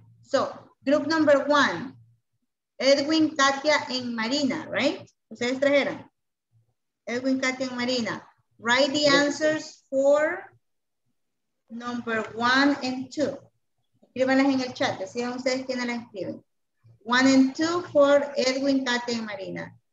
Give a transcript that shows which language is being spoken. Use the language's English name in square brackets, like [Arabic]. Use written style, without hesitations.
[English] So, group number one, Edwin, Katia, and Marina, right? [Spanish] Ustedes trajeron. [English] Edwin, Katia, and Marina. Write the answers for number one and two. [Spanish] Escríbanlas en el chat, decían ustedes quiénes las escriben. [English] One and two for Edwin, Katia, and Marina.